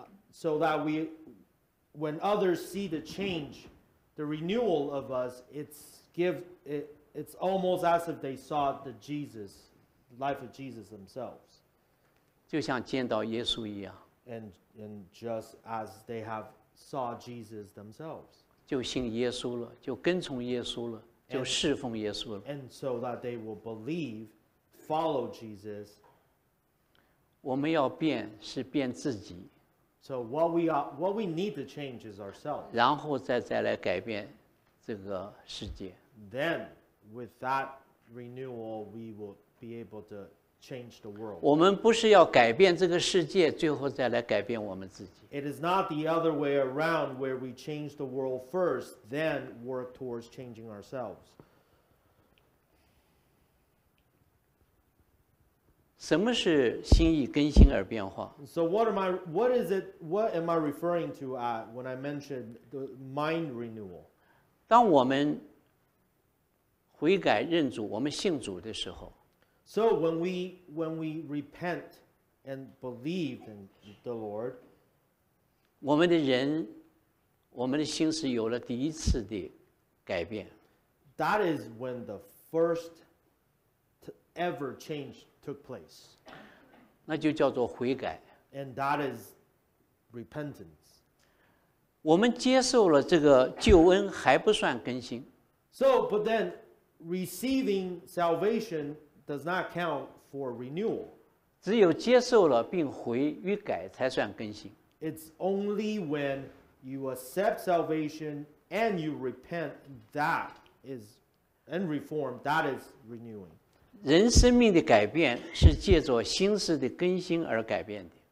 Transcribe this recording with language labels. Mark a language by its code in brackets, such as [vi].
[en] So that when others see the change, the renewal of us, it's almost as if they saw the Jesus, life of Jesus themselves. [zh] 就像见到耶稣一样。 [en] And just as they have saw Jesus themselves. [zh] 就信耶稣了，就跟从耶稣了，就侍奉耶稣了。 [en] And so that they will believe, follow Jesus. [zh] 我们要变是变自己。 [en] So what we need to change is ourselves. [zh] 然后再来改变这个世界。 [en] Then with that renewal, we will be able to change the world. [zh] 我们不是要改变这个世界，最后再来改变我们自己。 [en] It is not the other way around where we change the world first, then work towards changing ourselves. [zh] 什么是心意更新而变化 [en] ？So what am I referring to at when I mentioned the mind renewal？ [zh] 当我们悔改认主，我们信主的时候 [en] ，So when we repent and believe in the Lord， [zh] 我们的人，我们的心是有了第一次的改变。 [en] That is when the first ever change took place。 [zh] 那就叫做悔改。 [en] And that is repentance。 [zh] 我们接受了这个救恩还不算更新。 [en] So, but then receiving salvation does not count for renewal。 [zh] 只有接受了并悔与改才算更新。 [en] It's only when you accept salvation and you repent that is and reform that is renewing。 [zh] 人生命的改变是借着心思的更新而改变的。